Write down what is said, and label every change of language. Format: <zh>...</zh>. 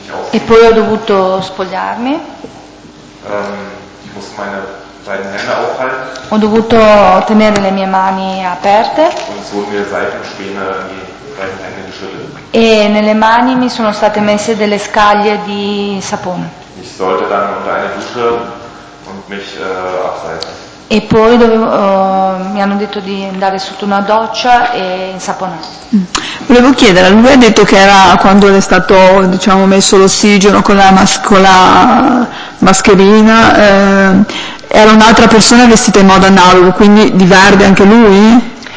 <it>E poi ho dovuto spogliarmi.</it> <de>Ich musste meine beiden Hände aufhalten.</de> <it>Ho dovuto tenere le mie mani aperte.</it> <de>Und so mir Seifenspäne in die beiden Hände geschüttelt.</de> <it>E nelle mani mi sono state messe delle scaglie di sapone.</it> <de>Ich sollte dann unter eine Dusche und mich abseifen.</de> <it>E poi mi hanno detto di andare sotto una doccia e insaponarsi. Volevo chiedere, lui ha detto che era quando è stato, diciamo, messo l'ossigeno con la mascherina, era un'altra persona vestita in modo analogo, quindi di verde anche lui?</it>